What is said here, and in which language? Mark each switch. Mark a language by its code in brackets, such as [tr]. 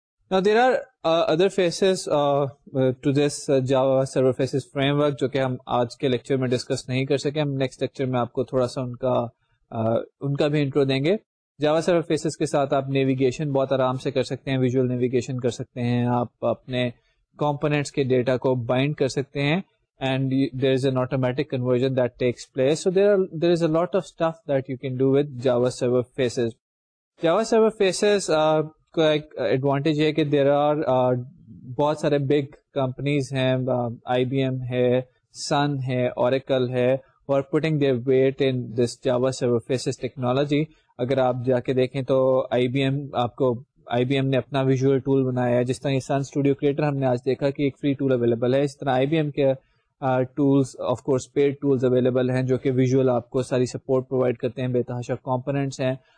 [en] Now there are other faces to this Java Server Faces framework [ur] جو کہ ہم آج کے لیکچر میں ڈسکس نہیں کر سکے, ہم نیکسٹ لیکچر میں آپ کو تھوڑا سا ان کا بھی انٹرو دیں گے. جاوا سرور فیسز کے ساتھ آپ نیویگیشن بہت آرام سے کر سکتے ہیں, ویژول نیویگیشن کر سکتے ہیں, آپ اپنے کمپوننٹس کے ڈیٹا کو بائنڈ کر سکتے ہیں [en] and there is an automatic conversion that takes place. So there is a lot of stuff that you can do with Java Server Faces. [ur] Java Server Faces کا ایک ایڈوانٹیج ہے کہ [en] there are [ur] بہت سارے big companies ہیں, آئی B M ہے, سن ہے, Oracle ہے, اور [en] Putting their weight in this Java server faces technology. [ur] اگر آپ جا کے دیکھیں تو آئی بی ایم نے اپنا ویژول ٹول بنایا ہے, جس طرح یہ سن اسٹوڈیو کریٹر ہم نے آج دیکھا کہ ایک فری ٹول اویلیبل ہے, اس طرح آئی بی ایم کے tools of course paid tools available ہیں جو کہ ویژول آپ کو ساری سپورٹ پرووائڈ کرتے ہیں, بےتحاشا کمپوننٹس ہیں.